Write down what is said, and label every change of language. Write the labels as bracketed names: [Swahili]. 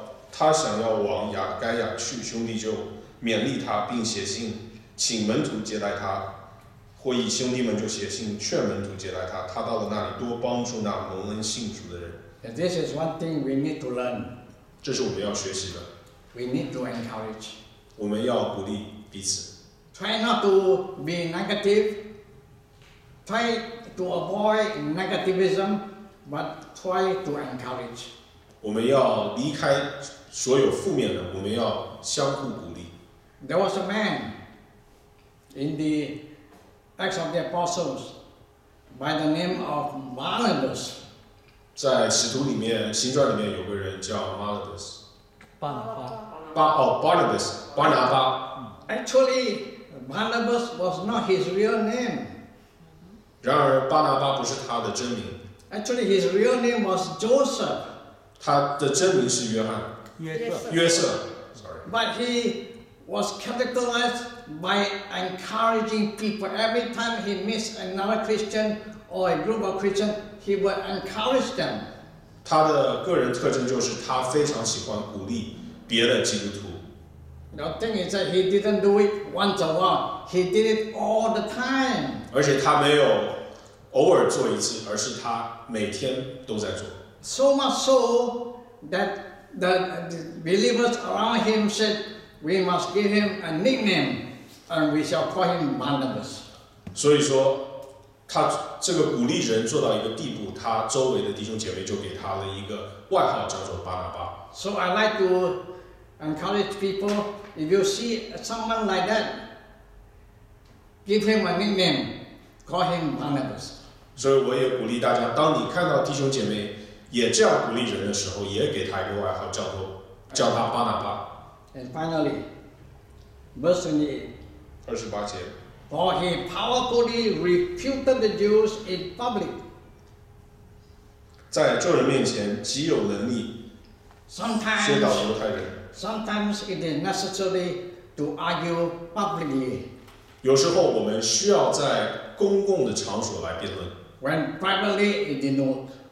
[Chinese] 他想要往亚该亚去，兄弟就勉励他，并写信请门徒接待他，或以兄弟们就写信劝门徒接待他。他到了那里，多帮助那蒙恩信主的人。 [English] And this is one thing we need to learn. [Chinese] 这是我们要学习的。 [English] We need to encourage. [Chinese] 我们要鼓励彼此。 [English] Try not to be negative. Try to avoid negativism, but try to encourage. [Chinese] 我们要离开所有负面的，我们要相互鼓励。 [English] There was a man. In the Acts of the Apostles, by the name of Barnabas. [Chinese] 在使徒里面，行传里面有个人叫 Barnabas. 巴拿巴。 Barnabas, 巴拿巴。 [English] Actually, Barnabas was not his real name. [Chinese] 然而，巴拿巴不是他的真名。 [English] Actually, his real name was Joseph. [Chinese] 他的真名是约翰。约瑟。 [English] Sorry. But he. Was capitalized by encouraging people. Every time he meets another Christian or a group of Christians, he would encourage them. [Chinese] 他的个人特征就是他非常喜欢鼓励别的基督徒。 [English] The thing is that he didn't do it once a while. He did it all the time. [Chinese] 而且他没有偶尔做一次，而是他每天都在做。 [English] So much so that the believers around him said. We must give him a nickname, and we shall call him Barnabas. [Chinese] 所以说，他这个鼓励人做到一个地步，他周围的弟兄姐妹就给他了一个外号，叫做巴拿巴。 [English] So I like to encourage people. If you see someone like that, give him a nickname, call him Barnabas. [Chinese] 所以我也鼓励大家，当你看到弟兄姐妹也这样鼓励人的时候，也给他一个外号，叫他巴拿巴。 [English] And finally, verse 28. [Chinese] 28节 [English] For he powerfully refuted the Jews in public. [Chinese] 在众人面前极有能力宣导犹太人。 [English] Sometimes it is necessary to argue publicly. [Chinese] 有时候我们需要在公共的场所来辩论。 [English] When privately it is not.